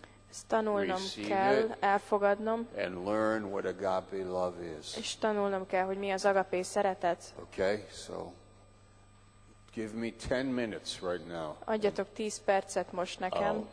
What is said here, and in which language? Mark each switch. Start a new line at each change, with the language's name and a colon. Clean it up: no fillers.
Hungarian: Ezt tanulnom kell, elfogadnom.
English: And learn what agape love is.
Hungarian: És tanulnom kell, hogy mi az agapé szeretet.
English: Okay, so Give me 10 minutes right now.
Hungarian: Adjatok 10 percet most nekem.